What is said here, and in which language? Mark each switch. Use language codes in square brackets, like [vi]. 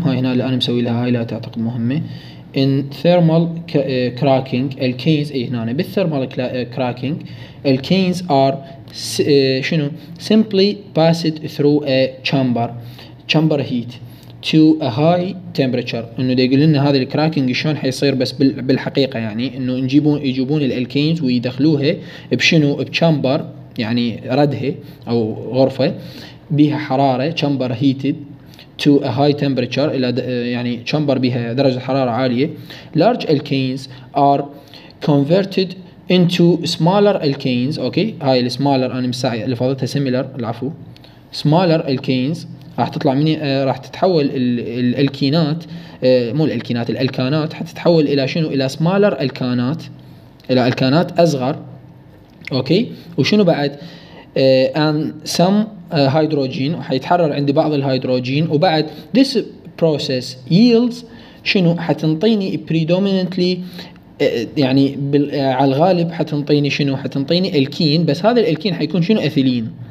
[ar] هاي هنا اللي انا مسوي لها هاي لا تعتقد مهمه. [en] In thermal cracking, alkanes [ar] إيه هنا [en] بالthermal cracking, alkanes are [ar] شنو [en] simply passed through a chamber heat to a high temperature. [ar] إنه يقول لنا هذا الكراكينج شلون حيصير بس بالحقيقة يعني إنه يجيبون الالكينز ويدخلوها بشنو بchamber يعني ردها أو غرفة بها حرارة [en] chamber heated. To a high temperature, [ar] يعني chamber بها درجة حرارة عالية. [en] Large alkanes are converted into smaller alkanes. [ar] Okay, هاي ال smaller أنا مساعي اللي فاضلتها similar العفو. [en] Smaller alkanes [ar] راح تطلع مني راح تتحول ال الكينات مو الكينات الالكانات حتتحول إلى شنو إلى smaller الكانات إلى الكانات أصغر. Okay, وشنو بعد [en] and some [ar] هيدروجين وحيتحرر عندي بعض الهيدروجين وبعد [en] this process yields [ar] شنو حتنطيني predominantly يعني على الغالب حتنطيني شنو حتنطيني الكين بس هذا الالكين حيكون شنو اثيلين.